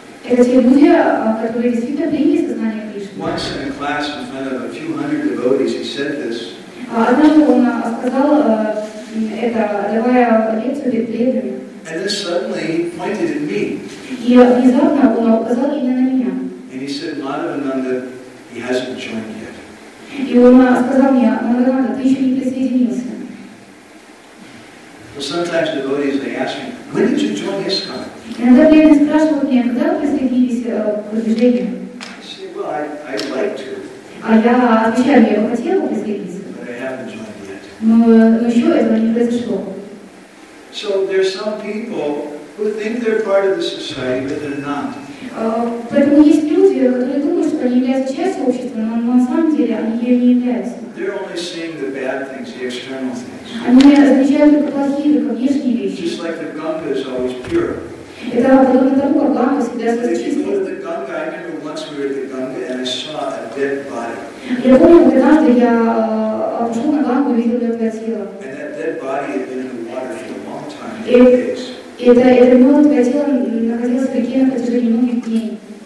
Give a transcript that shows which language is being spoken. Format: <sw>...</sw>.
<ru>Это те люди, которые действительно приняли сознание Кришны.</ru> <en>Once in a class in front of a few hundred devotees, he said this.</en> <ru>Однажды он сказал это, давая лекцию перед преданными.</ru> <en>And then suddenly he pointed at me.</en> <ru>И внезапно он указал именно на меня.</ru> <en>And he said, Madhavananda, he hasn't joined yet.</en> <ru>И он сказал мне, Мадхавананда, ты еще не присоединился.</ru> <en>Well, sometimes devotees, they ask me, when did you join ISKCON?</en> <ru>Иногда преданные спрашивают меня, когда вы присоединились к движению?</ru> <en>I say, well, I'd like to.</en> <ru>А я отвечаю, я бы хотела присоединиться.</ru> <en>But I haven't joined yet.</en> <ru>Но еще этого не произошло.</ru> <en>So there are some people who think they're part of the society, but they're not.</en> <ru>Поэтому есть люди, которые думают, что они являются частью общества, но на самом деле они не являются.</ru> <en>They're only seeing the bad things, the external things.</en> <ru>Они замечают только плохие, только внешние вещи.</ru> <en>Just like the Ganga is always pure.</en> <ru>Это подобно тому, как Ганга всегда чистая.</ru> <en>They go to the Ganga. I remember once we were at the Ganga and I saw a dead body.</en> <ru>Я помню, однажды я пошел на Гангу и видел мертвое тело.</ru> <en>And that dead body had been in the water.</en> <ru>Это мертвое тело находилось в реке на протяжении многих дней.</ru>